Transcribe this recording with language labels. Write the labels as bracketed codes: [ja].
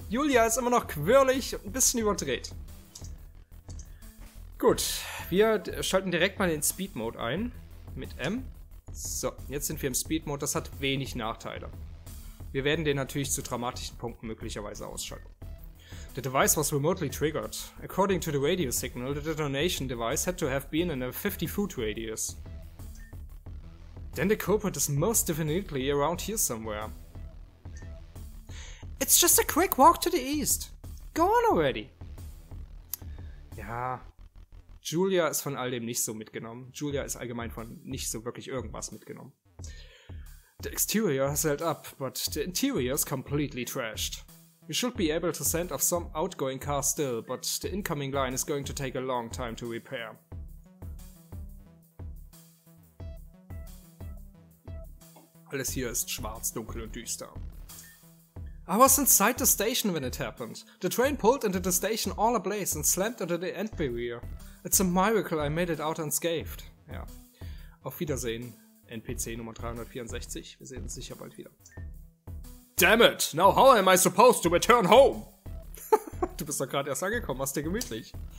[de] Julia ist immer noch quirlig und ein bisschen überdreht. Gut, wir schalten direkt mal den Speed Mode ein. Mit M. So, jetzt sind wir im Speed Mode. Das hat wenig Nachteile. Wir werden den natürlich zu dramatischen Punkten möglicherweise ausschalten. [en] The device was remotely triggered. According to the radio signal, the detonation device had to have been in a 50-foot radius. Then the culprit is most definitely around here somewhere. It's just a quick walk to the east. Go on already. [de] Ja, Julia ist von all dem nicht so mitgenommen. Julia ist allgemein von nicht so wirklich irgendwas mitgenommen. [en] The exterior has held up, but the interior is completely trashed. We should be able to send off some outgoing car still, but the incoming line is going to take a long time to repair. [de] Alles hier ist schwarz, dunkel und düster. [en] I was inside the station when it happened. The train pulled into the station all ablaze and slammed into the end barrier. It's a miracle I made it out unscathed. [de] Ja. Auf Wiedersehen, NPC Nummer 364. Wir sehen uns sicher bald wieder. [en] Damn it! Now how am I supposed to return home? [de] Du bist doch gerade erst angekommen, machst dir gemütlich.